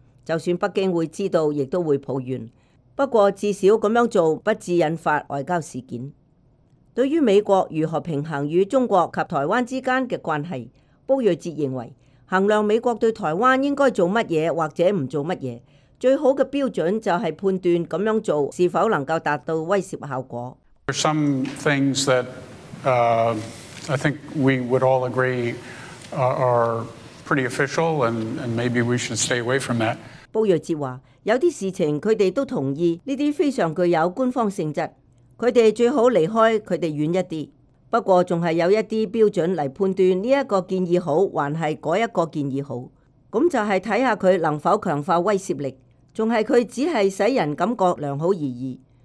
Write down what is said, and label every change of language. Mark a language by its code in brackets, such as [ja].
[zh] 就算北京会知道亦都会抱怨，不过至少这样做不致引发外交事件。对于美国如何平衡与中国及台湾之间的关系，卜瑞哲认为衡量美国对台湾应该做什么或者不做什么，最好的标准就是判断这样做是否能够达到威慑效果。 [en] There are some things that I think we would all agree are pretty official and maybe we should stay away from that. [zh] 卜瑞哲说，有些事情他们都同意，这些非常具有官方性质，他们最好离开他们远一点。不过还是有一些标准来判断这个建议好还是那一个建议好，那就是看看他能否强化威慑力，还是他只是使人感觉良好而已。